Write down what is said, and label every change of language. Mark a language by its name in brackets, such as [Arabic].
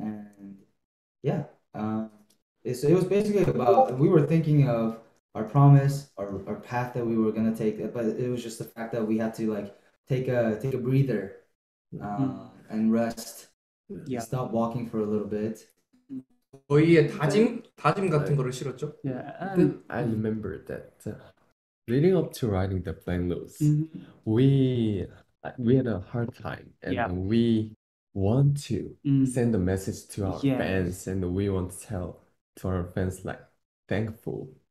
[English] And yeah, so it was basically about, we were thinking of our promise, our path that we were gonna take, but it was just the fact that we had to like take a breather, and rest, yeah. Stop walking for a little bit. [Korean] 저희의 다짐 다짐 같은 거를 실었죠. [English] Yeah, I remember that leading up to riding the plane loose, we had a hard time, and we want to send a message to our fans, and we want to tell to our fans like thankful.